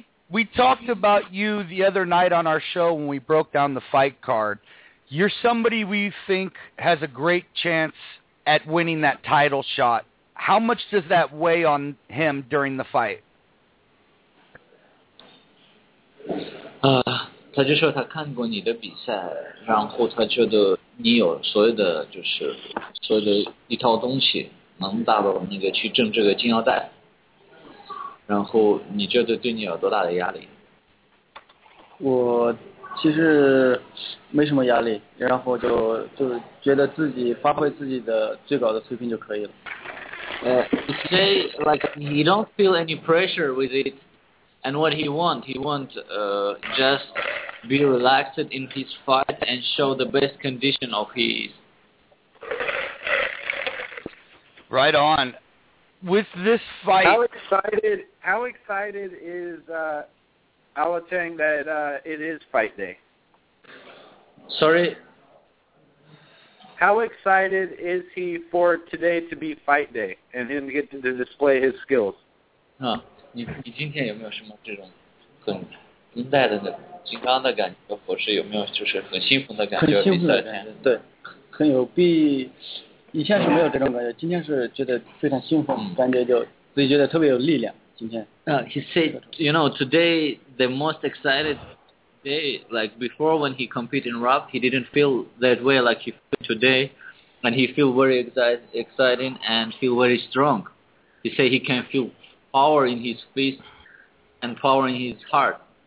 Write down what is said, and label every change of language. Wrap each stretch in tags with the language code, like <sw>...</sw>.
<en>We talked about you the other night on our show when we broke down the fight card. You're somebody we think has a great chance at winning that title shot. How much does that weigh on him during the fight?</en> <zh>他就说他看过你的比赛，然后他觉得你有所有的就是所有的一套东西能达到那个去挣这个金腰带，然后你觉得对你有多大的压力？我其实没什么压力，然后就觉得自己发挥自己的最高的水平就可以了。</zh> <en>You say like you don't feel any pressure with it, and what he want just be relaxed in his fight and show the best condition of his. Right on. With this fight... How excited is Alatang that it is fight day? Sorry? How excited is he for today to be fight day and him get to display his skills?</en> <zh>You 今天有没有什么这种很绷带的那种紧张的感觉，或是有没有就是很兴奋的感觉？很兴奋的感觉，对，很有比以前是没有这种感觉，今天是觉得非常兴奋，感觉就自己觉得特别有力量。今天，</zh> <en>He said, you know, today the most excited day. Like before, when he competed in RAP, he didn't feel that way like he feel today, and he feel very exciting and feel very strong. He said he can feel power in his fist and power in his heart.</en>